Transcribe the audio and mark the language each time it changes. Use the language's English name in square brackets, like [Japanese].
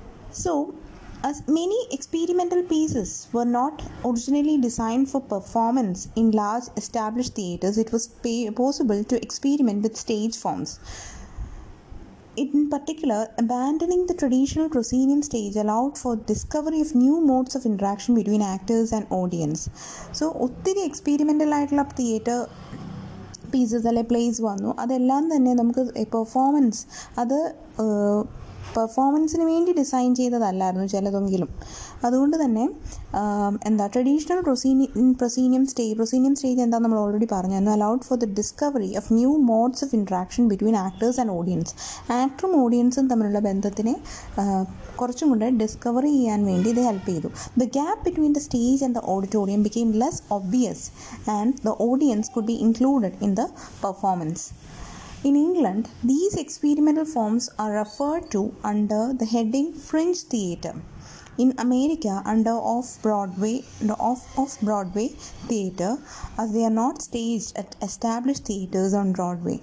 [English] So, as many experimental pieces were not originally designed for performance in large established theaters, it was possible to experiment with stage forms. In particular, abandoning the traditional proscenium stage allowed for discovery of new modes of interaction between actors and audience. [Malayalam] So ഒത്തിരി experimental ആയിട്ടുള്ള theatre pieces അല്ലെ place വന്നു. അതെല്ലാം തന്നെ നമുക്ക് performance അത് പെർഫോമൻസിന് വേണ്ടി design ചെയ്തതല്ലായിരുന്നു ചിലതെങ്കിലും. അതുകൊണ്ട് തന്നെ എന്താ ട്രഡീഷണൽ പ്രൊസീനിയം സ്റ്റേജ് എന്താ നമ്മൾ ഓൾറെഡി പറഞ്ഞു, എന്ന് [English] Allowed for the discovery of new modes of interaction between actors and audience. [Malayalam] ആക്ടറും ഓഡിയൻസും തമ്മിലുള്ള ബന്ധത്തിനെ കുറച്ചും കൂടെ ഡിസ്കവർ ചെയ്യാൻ വേണ്ടി ഇത് ഹെൽപ്പ് ചെയ്തു. [English] The gap between the stage and the auditorium became less obvious and the audience could be included in the performance. In England, these experimental forms are referred to under the heading fringe theatre. In America, under off-Broadway theatre, as they are not staged at established theatres on Broadway.